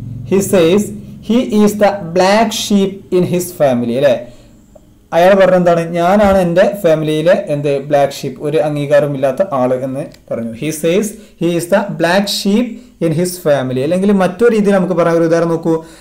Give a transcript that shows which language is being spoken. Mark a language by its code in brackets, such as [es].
[en] He says he is the black sheep in his family അല്ലെ. [ml] അയാൾ പറഞ്ഞ എന്താണ്, ഞാനാണ് എൻ്റെ ഫാമിലിയിലെ എന്ത് ബ്ലാക്ക് ഷീപ്പ്, ഒരു അംഗീകാരം ഇല്ലാത്ത ആൾ എന്ന് പറഞ്ഞു. [en] He says he is the black sheep in his family. [ml] അല്ലെങ്കിൽ മറ്റൊരു രീതിയിൽ നമുക്ക് പറയാം, ഒരു ഉദാഹരണം നോക്കൂ.